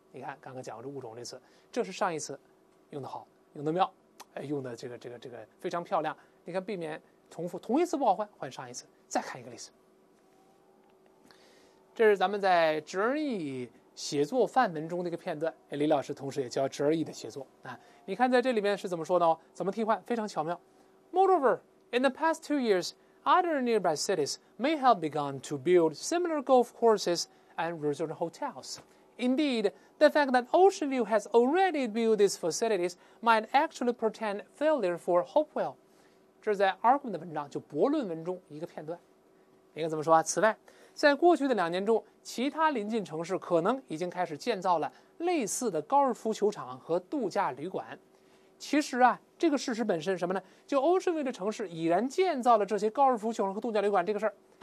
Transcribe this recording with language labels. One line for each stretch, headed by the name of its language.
Chinese: 你看刚刚讲过这物种这词，这是上义词，用得好，用得妙，用得这个非常漂亮。你看避免重复，同义词不好换，换上义词。再看一个例子，这是咱们在侄儿义写作范文中的一个片段，李老师同时也教侄儿义的写作啊。你看在这里面是怎么说的，怎么替换，非常巧妙。
English: Moreover, in the past 2 years, other nearby cities may have begun to build similar golf courses and resort hotels. Indeed,The fact that Ocean View has already built these facilities might actually portend failure for Hopewell.
Chinese: 这是在 Argument 的文章，就博论文中一个片段。你看怎么说啊？此外，在过去的2年中，其他邻近城市可能已经开始建造了类似的高尔夫球场和度假旅馆。其实啊，这个事实本身什么呢？就 Ocean View 的城市已然建造了这些高尔夫球场和度假旅馆这个事儿。